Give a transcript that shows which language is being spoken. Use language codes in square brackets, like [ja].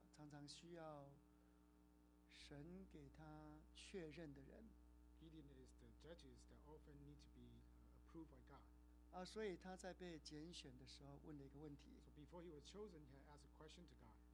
[zh] 常需要神给他确认的人。 [en] Gideon is the judges that often need to be approved by God. [zh] 所以他在被拣选的时候问了一个问题。 [en] So before he was chosen, he asked a question to God.